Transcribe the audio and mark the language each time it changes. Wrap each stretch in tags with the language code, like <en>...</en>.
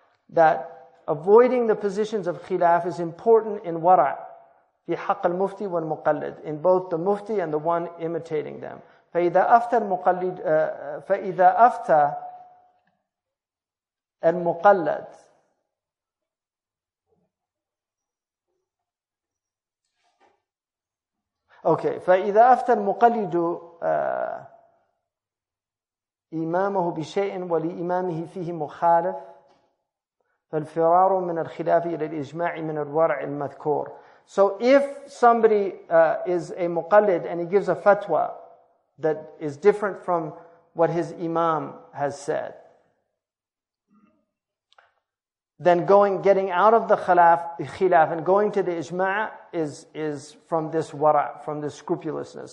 <en>That avoiding the positions of khilaf is important in wara'</en> <ar>fi haqq al-mufti wal-muqallid,</ar> <en>in both the mufti and the one imitating them.</en> <ar>فَإِذَا أَفْتَى المقلد okay فإذا أفتى المقلد إمامه بشيء ولإمامه فيه مخالف فالفرار من الخلاف إلى الإجماع من الورع المذكور.</ar> <en>So if somebody is a muqallid and he gives a fatwa that is different from what his imam has said, then going, getting out of the khilaf and going to the ijma' is from this wara', from this scrupulousness.</en>